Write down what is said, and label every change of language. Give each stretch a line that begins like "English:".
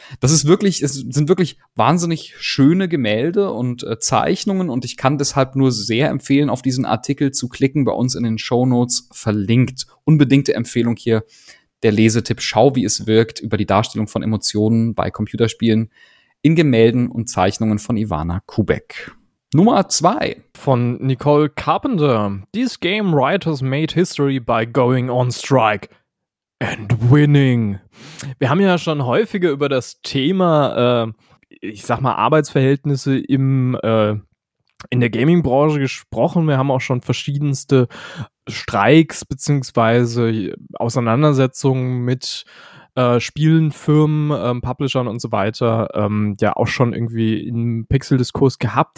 German: Das ist wirklich, es sind wirklich wahnsinnig schöne Gemälde und Zeichnungen und ich kann deshalb nur sehr empfehlen, auf diesen Artikel zu klicken, bei uns in den Shownotes verlinkt. Unbedingte Empfehlung hier. Der Lesetipp, schau, wie es wirkt, über die Darstellung von Emotionen bei Computerspielen in Gemälden und Zeichnungen von Ivana Kubek. Nummer 2. Von Nicole Carpenter.
English: These game writers made history by going on strike and winning.
German: Wir haben ja schon häufiger über das Thema, Arbeitsverhältnisse in der Gaming-Branche gesprochen. Wir haben auch schon verschiedenste Streiks beziehungsweise Auseinandersetzungen mit Spielen, Firmen, Publishern und so weiter ja auch schon irgendwie im Pixel-Diskurs gehabt.